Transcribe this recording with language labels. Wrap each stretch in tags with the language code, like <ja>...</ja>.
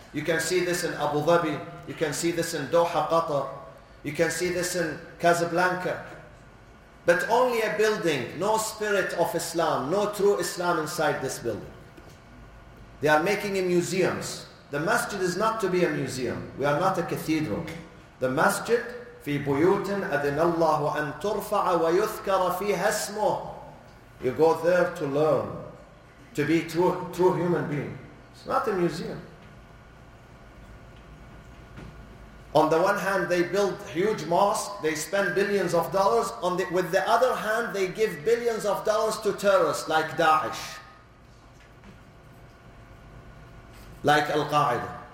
<en>You can see this in Abu Dhabi. You can see this in Doha, Qatar. You can see this in Casablanca. But only a building, no spirit of Islam, no true Islam inside this building. They are making a museum. The masjid is not to be a museum. We are not a cathedral. The masjid,</en> <ar>في بيوت أذن الله أن ترفع ويذكر فيها اسمه.</ar> <en>You go there to learn, to be true human being. It's not a museum. On the one hand, they build huge mosques, they spend billions of dollars. With the other hand, they give billions of dollars to terrorists like Daesh, like Al-Qaeda.</en>